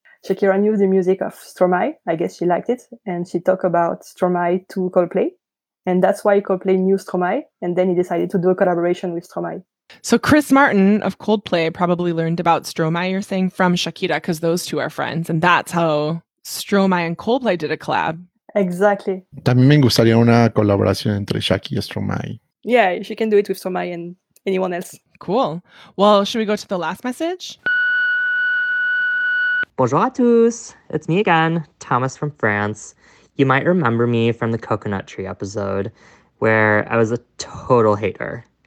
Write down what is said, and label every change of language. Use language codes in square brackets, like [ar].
[en] Shakira knew the music of Stromae. I guess she liked it. And she talked about Stromae to Coldplay. And that's why Coldplay knew Stromae. And then he decided to do a collaboration with Stromae. So Chris Martin of Coldplay probably learned about Stromae, you're saying, from Shakira, because those two are friends. And that's how Stromae and Coldplay did a collab. Exactly. [es] También me gustaría una colaboración entre Shakira y Stromae. [en] Yeah, she can do it with Stromae and anyone else. Cool. Well, should we go to the last message? [fr] Bonjour à tous, [en] it's me again, Thomas from France. You might remember me from the coconut tree episode where I was a total hater.